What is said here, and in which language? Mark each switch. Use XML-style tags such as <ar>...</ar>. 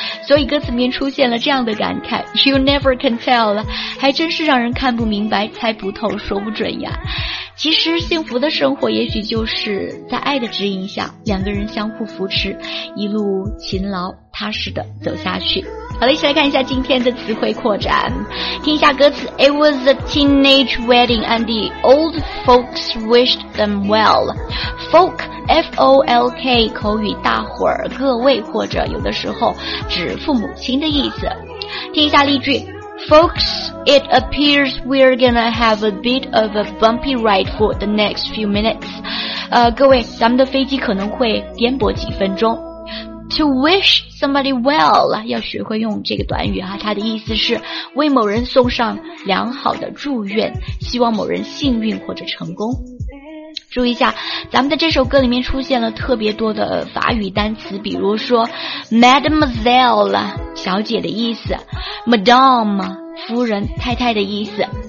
<zh>所以歌词里面出现了这样的感慨， You Never Can Tell 了，还真是让人看不明白，猜不透，说不准呀。其实幸福的生活也许就是在爱的指引下，两个人相互扶持，一路勤劳踏实的走下去。好了，一起来看一下今天的词汇扩展，听一下歌词。</zh> <en>It was a teenage wedding and the old folks wished them well.</en> <zh>Folk, F-O-L-K, 口语大伙儿各位，或者有的时候指父母亲的意思。听一下例句。</zh> <en>Folks, it appears we're gonna have a bit of a bumpy ride for the next few minutes.</en> <zh>各位，咱们的飞机可能会颠簸几分钟。</zh> <en>To wish somebody well,</en> <zh>要学会用这个短语啊，它的意思是为某人送上良好的祝愿，希望某人幸运或者成功。注意一下，咱们的这首歌里面出现了特别多的法语单词，比如说 Mademoiselle 小姐的意思， Madame 夫人太太的意思，</zh>